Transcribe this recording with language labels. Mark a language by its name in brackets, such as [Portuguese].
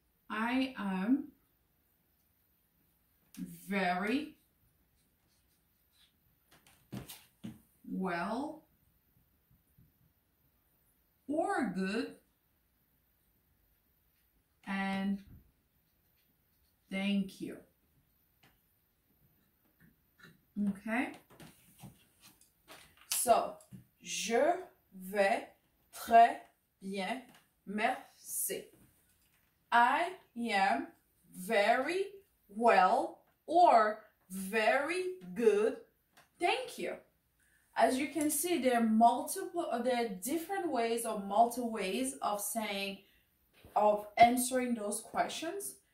[English] I am very well or good, and thank you. Okay, so [French] je vais très bien, merci. [English] I am very well or very good, thank you. As you can see, there are multiple, there are different ways or multiple ways of saying, of answering those questions.